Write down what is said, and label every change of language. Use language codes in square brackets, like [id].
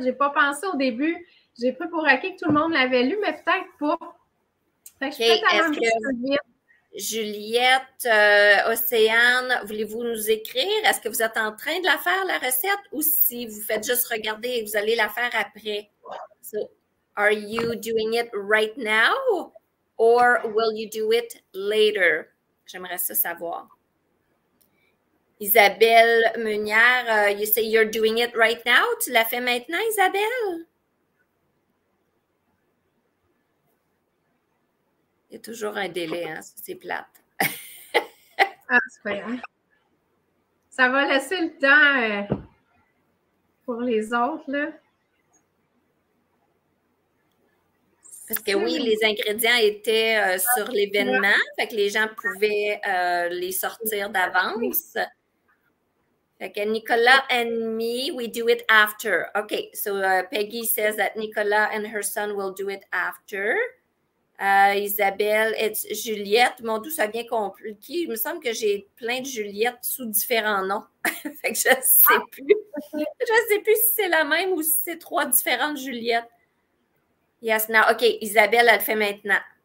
[fr] Je n'ai pas pensé au début. J'ai pris pour acquis que tout le monde l'avait lu, mais peut-être pas. Fait que Juliette, Océane, voulez-vous nous écrire? Est-ce que vous êtes en train de la faire, la recette, ou si vous faites juste regarder et vous allez la faire après? [en] So, are you doing it right now or will you do it later? [fr] J'aimerais ça savoir. [en] Isabelle Meunière, you say you're doing it right now. [fr] Tu l'as fait maintenant, Isabelle? Il y a toujours un délai, hein? C'est plate. Ah, c'est pas grave. Ça va laisser le temps pour les autres, là. Parce que oui, les ingrédients étaient sur l'événement, fait que les gens pouvaient les sortir d'avance. Fait que [en] Nicolas and me, we do it after. OK, so Peggy says that Nicolas and her son will do it after. [fr] Isabelle, et Juliette, mon doux, ça vient compliqué. Il me semble que j'ai plein de Juliette sous différents noms. Fait que je ne sais plus. Je ne sais plus si c'est la même ou si c'est trois différentes Juliette. Yes, non. OK, Isabelle, elle le fait maintenant.